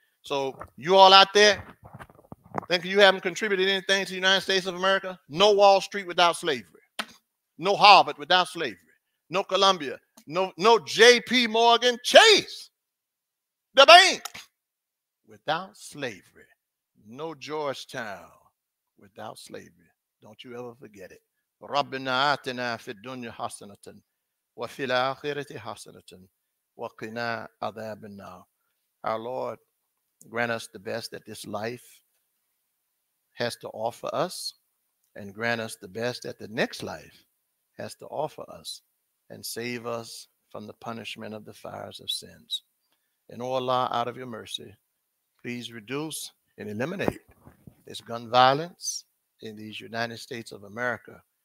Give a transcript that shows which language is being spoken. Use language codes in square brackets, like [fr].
[en] So you all out there, think you haven't contributed anything to the United States of America? No Wall Street without slavery. No Harvard without slavery. No Columbia. No J.P. Morgan Chase. The bank without slavery. No Georgetown without slavery. Don't you ever forget it. [ar] ربنا آتنا في الدنيا حسنة وفي الآخرة حسنة وقنا عذاب النار. [en] Our Lord, grant us the best that this life has to offer us, and grant us the best that the next life has to offer us, and save us from the punishment of the fires of sins. And oh Allah, out of your mercy, please reduce and eliminate this gun violence in these United States of America.